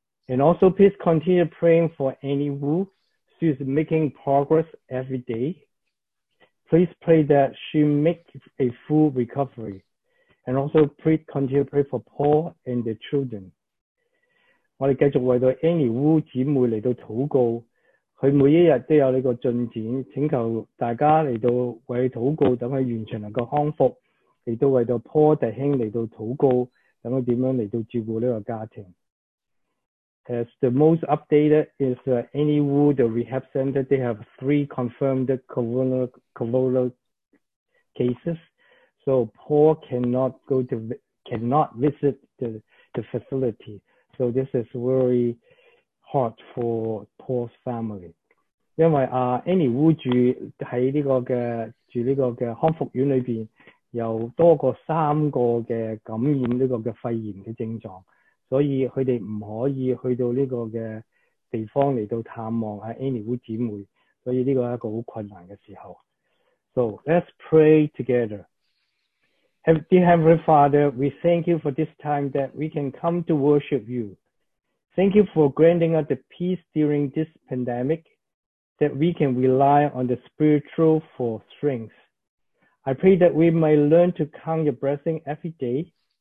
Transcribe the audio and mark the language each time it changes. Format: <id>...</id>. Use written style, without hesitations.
<en>And also, please continue praying for Annie Wu. She's making progress every day. Please pray that she makes a full recovery. And also, please continue to pray for Paul and the children.</en> <zh>我们继续为到 Annie Wu 姐妹来到祷告，她每一日都有这个进展，请求大家来到为她祷告，等她完全能够康复，来到为到 Paul 弟兄来到祷告，等她怎样来到照顾这个家庭。</zh> <en>As the most updated is Annie Wu, the rehab center, they have 3 confirmed corona cases. So Paul cannot visit the facility. So this is very hard for Paul's family.</en> <zh>因为Annie Wu 住在这个康复院里面，有多过三个的感染这个肺炎的症状。所以他们不可以去到这个地方来到探望 Annie Wu 姐妹，所以这个是一个很困难的时候。</zh> <en>So let's pray together. Dear Heavenly Father, we thank you for this time that we can come to worship you. Thank you for granting us the peace during this pandemic, that we can rely on the spiritual for strength. I pray that we may learn to count your blessing every day.</en>